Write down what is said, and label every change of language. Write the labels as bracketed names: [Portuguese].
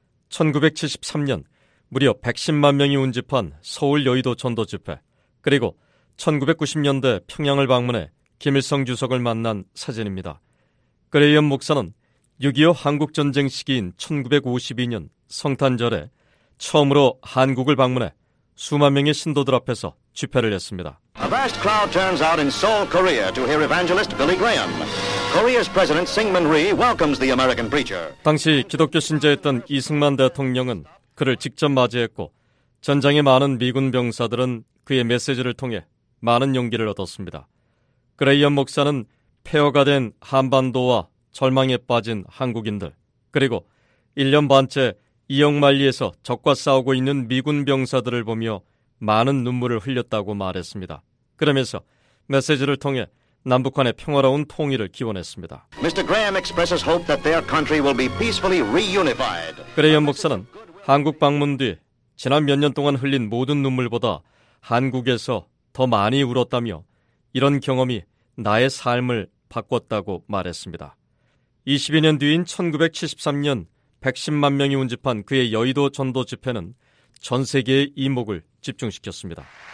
[Korean] 1973년 무려 110만 명이 운집한 서울 여의도 전도 집회, 그리고 1990년대 평양을 방문해 김일성 주석을 만난 사진입니다. 그레이엄 목사는 6.25 한국전쟁 시기인 1952년 성탄절에 처음으로 한국을 방문해 수만 명의 신도들 앞에서 집회를 했습니다. [English] A vast crowd turns out in Seoul, Korea to hear evangelist Billy Graham. Korea's president Syngman Rhee welcomes the American preacher. [Korean] 당시 기독교 신자였던 이승만 대통령은 그를 직접 맞이했고 전장의 많은 미군 병사들은 그의 메시지를 통해 많은 용기를 얻었습니다. 그레이엄 목사는 폐허가 된 한반도와 절망에 빠진 한국인들, 그리고 1년 반째 이역만리에서 적과 싸우고 있는 미군 병사들을 보며 많은 눈물을 흘렸다고 말했습니다. 그러면서 메시지를 통해 남북한의 평화로운 통일을 기원했습니다. [English] Mr. Graham expresses hope that their country will be peacefully reunified. [Korean] 그레이엄 목사는 한국 방문 뒤 지난 몇 년 동안 흘린 모든 눈물보다 한국에서 더 많이 울었다며 이런 경험이 나의 삶을 바꿨다고 말했습니다. 22년 뒤인 1973년 110만 명이 운집한 그의 여의도 전도 집회는 전 세계의 이목을 집중시켰습니다.